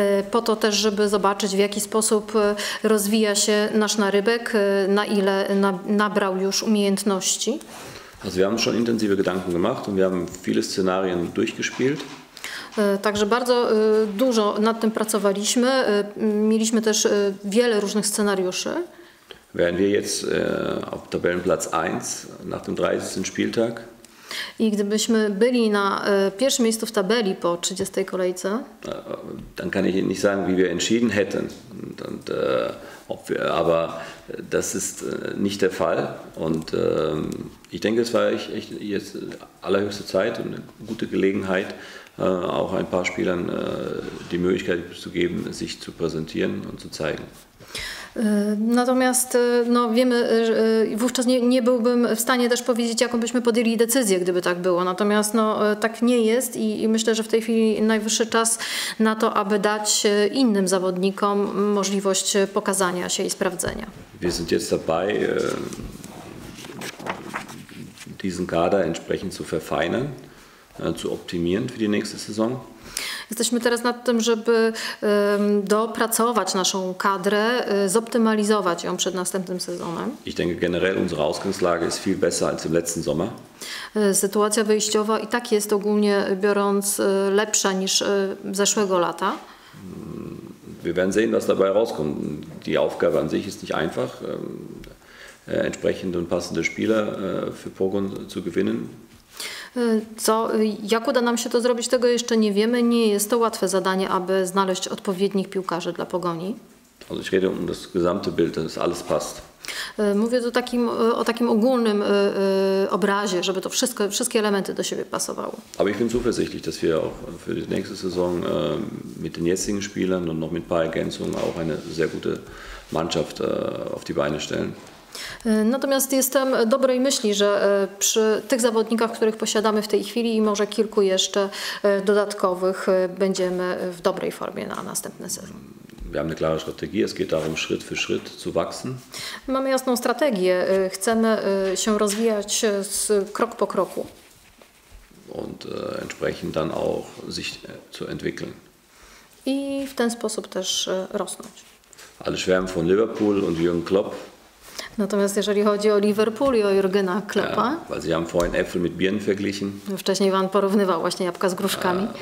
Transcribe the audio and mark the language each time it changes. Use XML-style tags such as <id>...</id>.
<pl>Po to też, żeby zobaczyć, w jaki sposób rozwija się nasz narybek, na ile nabrał już umiejętności.</pl> <de>Also wir haben schon intensive Gedanken gemacht und wir haben viele Szenarien durchgespielt.</de> <pl>Także bardzo dużo nad tym pracowaliśmy. Mieliśmy też wiele różnych scenariuszy.</pl> <de>Wären wir jetzt auf Tabellenplatz 1 nach dem 30. Spieltag?</de> <pl>I gdybyśmy byli na pierwszym miejscu w tabeli po 30. kolejce,</pl> <de>dann kann ich nicht sagen, wie wir entschieden hätten. Und ob wir, aber das ist nicht der Fall. Und ich denke, es war echt jetzt allerhöchste Zeit und eine gute Gelegenheit, auch ein paar Spielern die Möglichkeit zu geben, sich zu präsentieren und zu zeigen.</de> <pl>Natomiast no, wiemy, wówczas nie byłbym w stanie też powiedzieć, jaką byśmy podjęli decyzję, gdyby tak było. Natomiast no, tak nie jest i myślę, że w tej chwili najwyższy czas na to, aby dać innym zawodnikom możliwość pokazania się i sprawdzenia.</pl> <de>Wir sind jetzt dabei, diesen Kader entsprechend zu verfeinern, zu optimieren für die nächste Saison.</de> <pl>Jesteśmy teraz nad tym, żeby dopracować naszą kadrę, zoptymalizować ją przed następnym sezonem.</pl> <de>Ich denke generell unsere Ausgangslage ist viel besser als im letzten Sommer.</de> <pl>Sytuacja wyjściowa i tak jest ogólnie biorąc lepsza niż zeszłego lata.</pl> <de>Wir werden sehen, was dabei rauskommt. Die Aufgabe an sich ist nicht einfach, entsprechende und passende Spieler für Pogon zu gewinnen.</de> <pl>Co, jak uda nam się to zrobić, tego jeszcze nie wiemy. Nie jest to łatwe zadanie, aby znaleźć odpowiednich piłkarzy dla Pogoni.</pl> <de>Also ich rede um das gesamte Bild, dass alles passt.</de> <pl>Mówię tu takim, o takim ogólnym obrazie, żeby to wszystko, wszystkie elementy do siebie pasowały.</pl> <de>Aber ich bin zuversichtlich, dass wir auch für die nächste Saison mit den jetzigen Spielern und noch mit ein paar Ergänzungen auch eine sehr gute Mannschaft auf die Beine stellen.</de> <pl>Natomiast jestem dobrej myśli, że przy tych zawodnikach, których posiadamy w tej chwili i może kilku jeszcze dodatkowych, będziemy w dobrej formie na następny sezon.</pl> <de>Wir haben eine klare Strategie, es geht darum, Schritt für Schritt zu wachsen.</de> <pl>Mamy jasną strategię, chcemy się rozwijać krok po kroku.</pl> <de>Und entsprechend dann auch sich zu entwickeln.</de> <pl>I w ten sposób też rosnąć.</pl> <de>Alle schwärmen von Liverpool und Jürgen Klopp.</de> <pl>Natomiast jeżeli chodzi o Liverpool i o Jurgena Kloppa,</pl> <de>weil sie haben vorhin Äpfel mit Birnen verglichen.</de> <pl>Wcześniej Iwan porównywał właśnie jabłka z gruszkami.</pl>